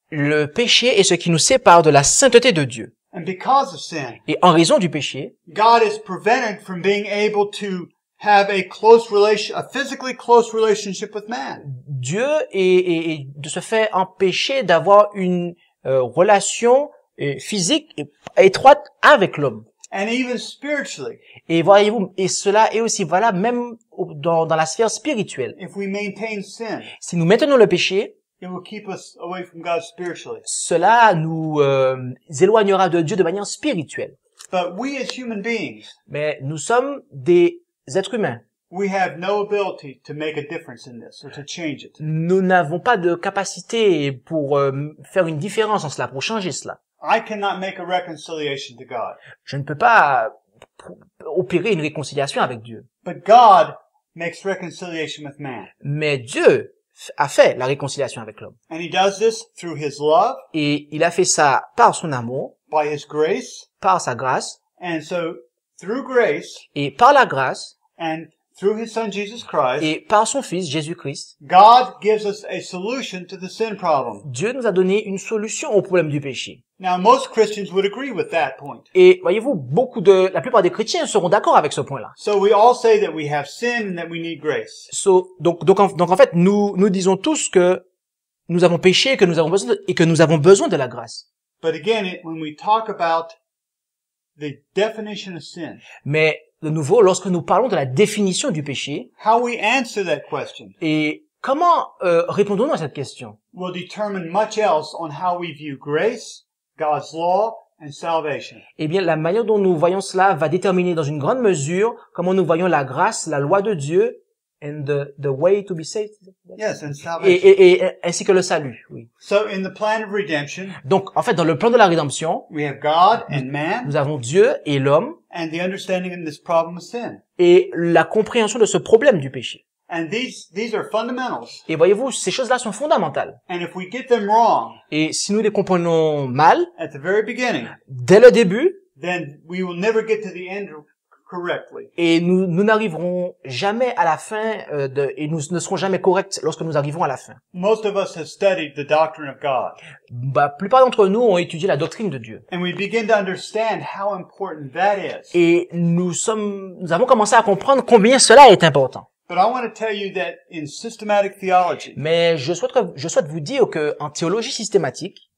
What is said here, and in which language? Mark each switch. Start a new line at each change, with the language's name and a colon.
French: Le péché est ce qui nous sépare de la sainteté de Dieu.
English: And because of sin,
French: et en raison du péché,
English: God is prevented from being able to have a close relation, a physically close relationship with man.
French: Dieu est de ce fait empêché d'avoir une relation physique étroite avec l'homme.
English: And even spiritually.
French: Et voyez-vous, et cela est aussi valable même dans la sphère spirituelle.
English: If we maintain sin,
French: si nous maintenons le péché,
English: it will keep us away from God spiritually.
French: Cela nous éloignera de Dieu de manière spirituelle.
English: But we as human beings,
French: mais nous sommes des êtres humains.
English: We have no ability to make a difference in this or to change it.
French: Nous n'avons pas de capacité pour faire une différence en cela, pour changer cela.
English: I cannot make a reconciliation to God.
French: Je ne peux pas opérer une réconciliation avec Dieu.
English: But God makes reconciliation with man.
French: Mais Dieu a fait la réconciliation avec l'homme.
English: And he does this through his love.
French: Et il a fait ça par son amour.
English: By his grace.
French: Par sa grâce.
English: And so through grace.
French: Et par la grâce.
English: And through his son Jesus Christ.
French: Et par son fils Jésus-Christ.
English: God gives us a solution to the sin problem.
French: Dieu nous a donné une solution au problème du péché.
English: Now most Christians would agree with that point.
French: Et voyez-vous, la plupart des chrétiens seront d'accord avec ce point-là.
English: So we all say that we have sin and that we need grace.
French: So donc en fait nous disons tous que nous avons péché et que nous avons besoin de la grâce.
English: But again, when we talk about the definition of sin.
French: Mais de nouveau, lorsque nous parlons de la définition du péché,
English: how we answer that question,
French: et comment répondons-nous à cette question,
English: will determine much else on how we view grace, God's law, and salvation.
French: Eh bien, la manière dont nous voyons cela va déterminer dans une grande mesure comment nous voyons la grâce, la loi de Dieu,
English: and the way to be saved. Yes, and salvation.
French: Et ainsi que le salut, oui.
English: So in the plan of redemption,
French: donc, en fait, dans le plan de la rédemption,
English: we have God and man,
French: nous avons Dieu et l'homme,
English: and the understanding of this problem of sin.
French: Et la compréhension de ce problème du péché.
English: And these are fundamentals.
French: Et voyez-vous, ces choses-là sont fondamentales.
English: And if we get them wrong,
French: et si nous les comprenons mal,
English: at the very beginning,
French: dès le début,
English: then we will never get to the end correctly.
French: Et nous n'arriverons jamais à la fin et nous ne serons jamais corrects lorsque nous arrivons à la fin.
English: Most of us have studied the doctrine of God.
French: Bah, la plupart d'entre nous ont étudié la doctrine de Dieu.
English: And we begin to understand how important that is.
French: Et nous avons commencé à comprendre combien cela est important.
English: But I want to tell you that in systematic theology.
French: Mais je souhaite vous dire que en théologie systématique,